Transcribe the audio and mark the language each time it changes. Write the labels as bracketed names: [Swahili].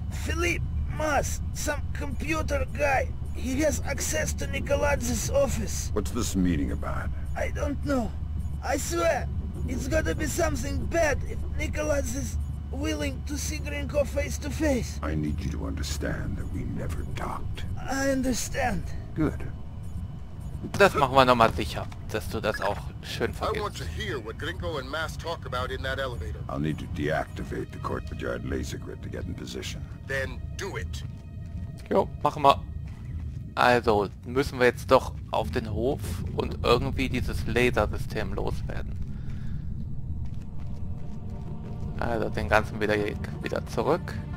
[English] Philippe Mass, some computer guy. He has access to Nikoladze's office. What's this meeting about? I don't know. I swear, it's gotta be something bad if Nikoladze is willing to see Grinko face to face. I need you to understand that we never talked. I understand. Good. [German] Das machen wir nochmal sicher, dass du das auch schön vergisst. [English] I want to hear what Grinko and Mass talk about in that elevator. I'll need to deactivate the courtyard laser grid to get in position. Then do it. [German] Jo, machen wir. Also, müssen wir jetzt doch auf den Hof und irgendwie dieses Lasersystem loswerden. Also, den ganzen Weg wieder zurück.